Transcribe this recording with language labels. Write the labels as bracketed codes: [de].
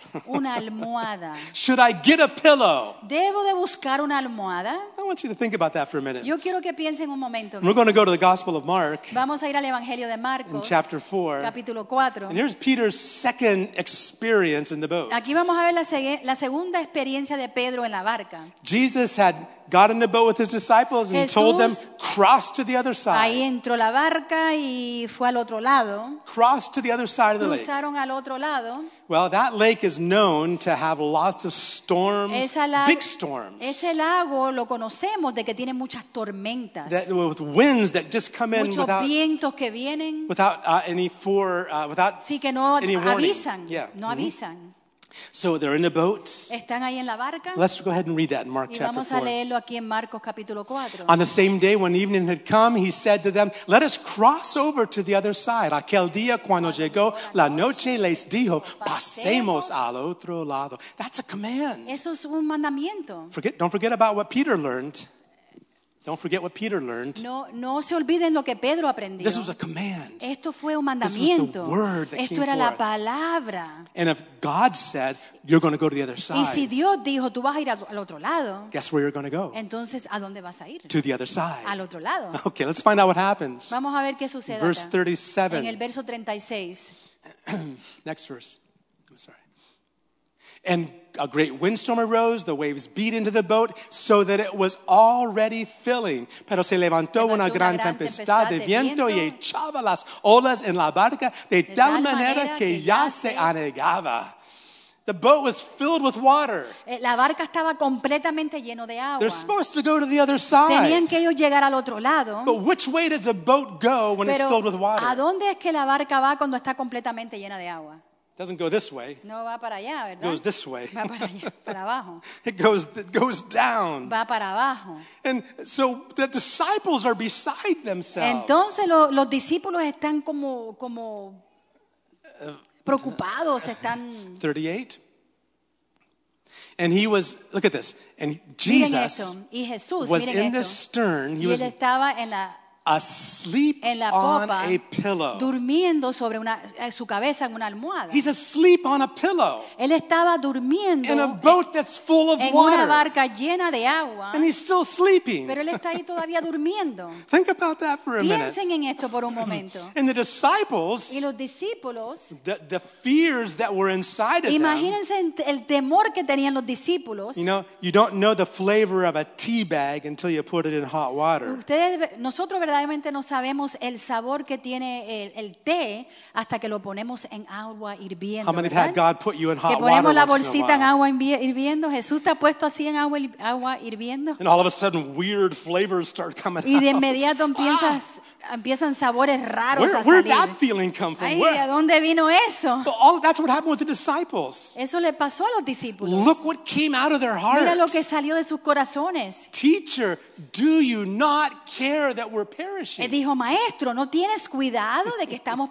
[es] Una almohada. [en] Should I get a pillow? [es] ¿Debo de buscar una almohada? [en] I want you to think about that for a minute. [es] Yo quiero que piensen un momento. [en] We're going to go to the Gospel of Mark. [es] Vamos a ir al Evangelio de Marcos. [en] In chapter 4. [es] Capítulo 4. [en] And here's Peter's second experience in the boat. [es] Aquí vamos a ver la segunda experiencia de Pedro en la barca. [en] Jesus had got in the boat with his disciples and [es] Jesús [en] told them, cross to the other side. [es] Ahí entró la barca y fue al otro lado. [en] Cross to the other side of the [es] Cruzaron [en] lake. [es] Cruzaron al otro lado. [en] Well, that lake is known to have lots of storms, big storms. [es] Ese lago lo conocemos de que tiene muchas tormentas. [en] That, with winds that just come in [es] Muchos [en] without, [es] vientos que vienen. [en] Without any fore, without [es] sí, que no [en] any warning. [es] Avisan. Yeah. No avisan. Mm-hmm. [en] So they're in a boat. [es] Están ahí en la barca. [en] Let's go ahead and read that in Mark [es] y vamos [en] chapter 4. [es] A leerlo aquí en Marcos, capítulo 4. [en] On the same day when evening had come, he said to them, let us cross over to the other side. [es] Aquel día cuando llegó la noche les dijo, pasemos al otro lado. [en] That's a command. [es] Eso es un mandamiento. [en] Don't forget about what Peter learned. Don't forget what Peter learned. [es] No se olviden lo que Pedro aprendió. [en] This was a command. [es] Esto fue un mandamiento. [en] This was the word that [es] Esto [en] came [es] era [en] forth. [es] La palabra. [en] And if God said, you're going to go to the other side. [es] Y si Dios dijo, tú vas a ir al otro lado. [en] Guess where you're going to go. [es] Entonces, ¿a dónde vas a ir? [en] To the other side. [es] Al otro lado. [en] Okay, let's find out what happens. [es] Vamos a ver qué sucede. [en] Verse 37. [es] En el verso 36. [en] Next verse. I'm sorry. And a great windstorm arose, the waves beat into the boat, so that it was already filling. [es] Pero se levantó una gran tempestad de viento y echaba las olas en la barca de tal manera que ya se anegaba. [en] The boat was filled with water. [es] La barca estaba completamente lleno de agua. [en] They're supposed to go to the other side. [es] Tenían que ellos llegar al otro lado. [en] But which way does a boat go when [es] Pero [en] it's filled with water? [es] ¿A dónde es que la barca va cuando está completamente llena de agua? [en] Doesn't go this way. [es] No va para allá, ¿verdad? [en] Goes this way. [es] Va para allá, para abajo. [en] It goes down. [es] Va para abajo. [en] And so the disciples are beside themselves. [es] Entonces los discípulos están como preocupados, están [en] 38. And he was, look at this. And Jesus [es] miren esto. Y Jesús, [en] was [es] miren [en] in [es] esto. [en] The stern. He [es] y él [en] was [es] estaba en la [en] asleep [es] en la popa, [en] on a pillow. [es] Durmiendo sobre una, su cabeza en una almohada. [en] He's asleep on a pillow. [es] Él estaba durmiendo [en] in a boat that's full of [es] en [en] water. [es] Una barca llena de agua. [en] And he's still sleeping. [es] Pero él está ahí todavía durmiendo. [en] Think about that for a [es] Piensen [en] minute. [es] En esto por un momento. [en] And the disciples, [es] y los discípulos, [en] the fears that were inside of [es] imagínense [en] them. [es] El temor que tenían los discípulos. [en] You know, you don't know the flavor of a tea bag until you put it in hot water. [es] Verdaderamente no sabemos el sabor que tiene el té hasta que lo ponemos en agua hirviendo. [en] How many have had God put you in hot [es] que ponemos [en] water [es] la bolsita en agua hirviendo. Jesús te ha puesto así en agua hirviendo. [en] And all of a sudden, weird flavors start coming out. [es] Y de inmediato empiezan sabores raros [en] where, [es] a salir. [en] Where did that feeling come from? [es] Ay, ¿a dónde vino eso? [en] That's what happened with the disciples. [es] Eso le pasó a los discípulos. [en] Look what came out of their hearts. [es] Mira lo que salió de sus corazones. [en] Teacher, do you not care that we're perishing. [es] Él dijo, maestro, ¿no tienes cuidado de que estamos